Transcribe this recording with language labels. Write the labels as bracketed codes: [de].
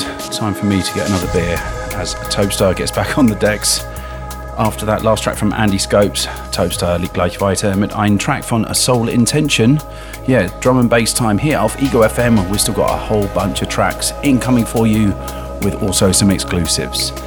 [en] Topstar gets back on the decks after that last track from Andy Scopes. [de] Topstar liegt gleich weiter mit ein Track von A Soul Intention. [en] Yeah, drum and bass time here off Ego FM. We've still got a whole bunch of tracks incoming for you with also some exclusives.